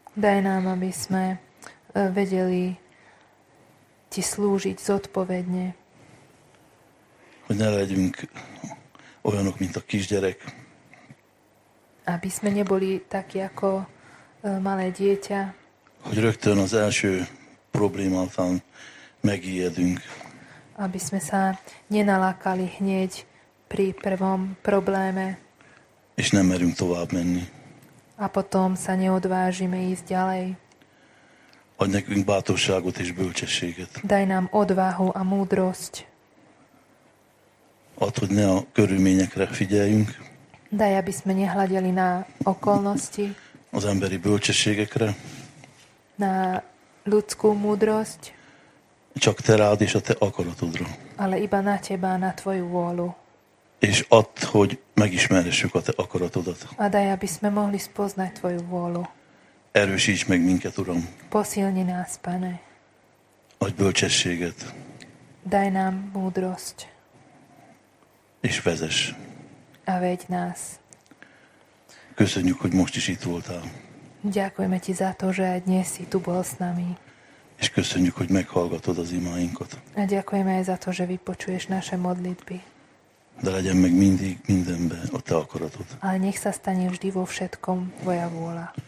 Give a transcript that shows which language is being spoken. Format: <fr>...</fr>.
<sk>Daj nám, aby sme vedeli ti slúžiť zodpovedne.</sk> <hu>Hogy ne legyünk olyanok, mint a kisgyerek.</hu> <sk>Aby sme neboli taky ako malé dieťa.</sk> <hu>Hogy rögtön az első problémátán megijedünk.</hu> <sk>Aby sme sa nenalákali hneď pri prvom probléme.</sk> <hu>És nem merünk tovább menni.</hu> <sk>A potom sa neodvážime ísť ďalej.</sk> <hu>Adj nekünk bátorságot és bölcsességet.</hu> <sk>Daj nám odvahu a múdrosť.</sk> <hu>Ad, hogy ne a körülményekre figyeljünk.</hu> <sk>Daj, aby sme nehľadeli na okolnosti.</sk> <hu>Az emberi bölcsességekre.</hu> <sk>Na ľudskú múdrosť.</sk> <hu>Csak te rád és a te akaratodra.</hu> <sk>Ale iba na teba, na tvoju vôľu.</sk> <hu>És ad, hogy megismerhessük a te akaratodat.</hu> <sk>A daj, aby sme mohli spoznať tvoju vôľu.</sk> <hu>Erősíts meg minket, Uram.</hu> <sk>Posilni nás, Pane.</sk> <hu>Adj bölcsességet.</hu> <sk>Daj nám múdrosť.</sk> <hu>És vezess.</hu> <sk>A vegy nás.</sk> <hu>Köszönjük, hogy most is itt voltál.</hu> <sk>Ďakujeme ti za to, že dnes si tu bol s nami.</sk> <hu>És köszönjük, hogy meghallgatod az imáinkat.</hu> <sk>A ďakujeme aj za to, že vypočuješ naše modlitby.</sk> <hu>De legyen meg mindig, mindenbe a te akaratod.</hu> <sk>Ale nech sa stane vždy vo všetkom tvoja vôľa.</sk>